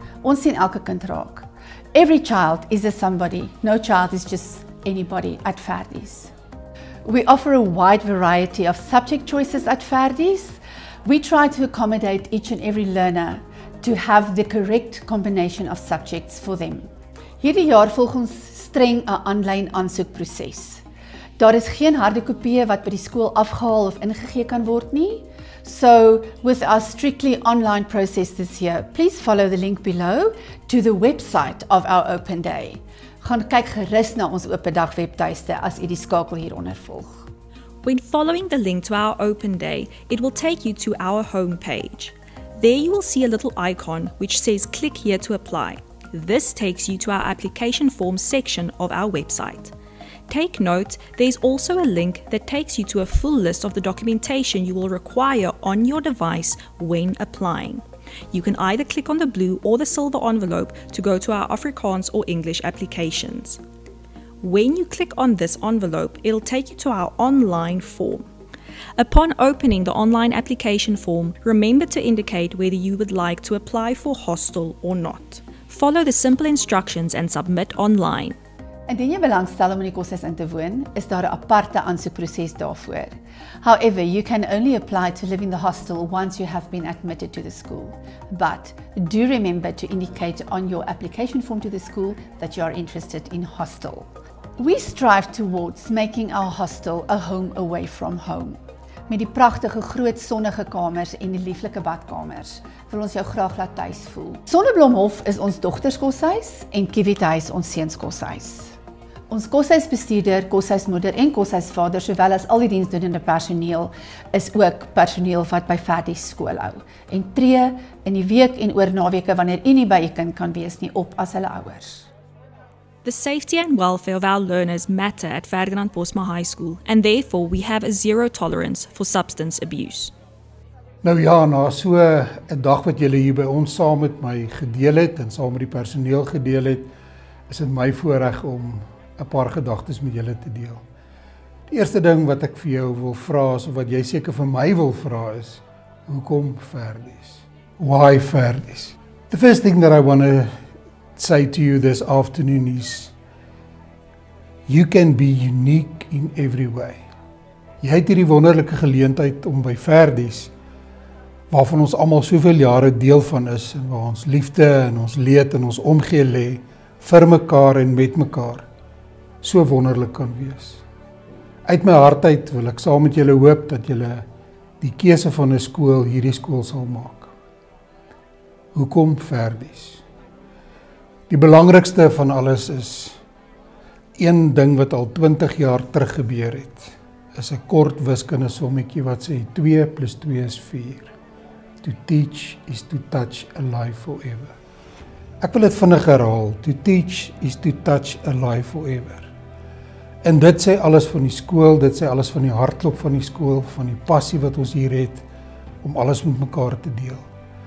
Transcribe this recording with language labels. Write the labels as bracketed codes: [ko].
[af] Ons sien elke kind raak. [en] Every child is a somebody. No child is just anybody at Verdies. We offer a wide variety of subject choices at Verdies. We try to accommodate each and every learner to have the correct combination of subjects for them. [af] Hierdie jaar volg ons streng 'n aanlyn aansoekproses. Daar is geen harde kopieë wat by die skool afgehaal of ingegee kan word nie. [en] So, with our strictly online process this year, please follow the link below to the website of our open day. [af] Gaan kyk gerus na ons open dag webtuiste as u die skakel hieronder volg. [en] When following the link to our open day, it will take you to our homepage. There you will see a little icon which says click here to apply. This takes you to our application form section of our website. Take note, there's also a link that takes you to a full list of the documentation you will require on your device when applying. You can either click on the blue or the silver envelope to go to our Afrikaans or English applications. When you click on this envelope, it'll take you to our online form. Upon opening the online application form, remember to indicate whether you would like to apply for hostel or not. follow the simple instructions and submit online. [af] Indien jy belangstel om in die kursus in te woon, is daar 'n aparte aansoekproses daarvoor. [en] However, you can only apply to live in the hostel once you have been admitted to the school. But do remember to indicate on your application form to the school that you are interested in hostel. We strive towards making our hostel a home away from home. [af] Met die pragtige groot sonnige kamers en die lieflike badkamers wil ons jou graag laat tuis voel. Sonneblomhof is ons dogterskoshuis en Kiwithuis ons seunskoshuis. Ons koshuisbestuurder, koshuismoeder en koshuisvader, sowel as al die diensdoenende personeel, is ook personeel wat by Verdie skool hou en tree in die week en oor naweke wanneer u nie by u kind kan wees nie op as hulle ouers. [en] The safety and welfare of our learners matter at Ferdinand Postma High School, and therefore we have a zero tolerance for substance abuse. [af] Nou ja, na so 'n dag wat julle hier by ons saam met my gedeel het en saam met die personeel gedeel het, is dit my voorreg om 'n paar gedagtes met julle te deel. Die eerste ding wat ek vir jou wil vra is, of wat jy seker vir my wil vra is, hoekom Ferdies? [en] Why Ferdies? The first thing that I want to say to you this afternoon is, you can be unique in every way. [af] Jy het hierdie wonderlike geleentheid om by Ferdies, waarvan ons almal soveel jare deel van is en waar ons liefde en ons leed en ons omgee lê vir mekaar en met mekaar, so wonderlik kan wees. Uit my hart uit wil ek saam met julle hoop dat julle die keuse van 'n skool hierdie skool sal maak. Hoekom Ferdies? Die belangrikste van alles is een ding wat al 20 jaar terug gebeur het. Is 'n kort wiskunde sommetjie wat sê 2 plus 2 is 4. [en] To teach is to touch a life forever. [af] Ek wil dit vinnig herhaal. [en] To teach is to touch a life forever. [af] En dit sê alles van die skool, dit sê alles van die hartklop van die skool, van die passie wat ons hier het om alles met mekaar te deel.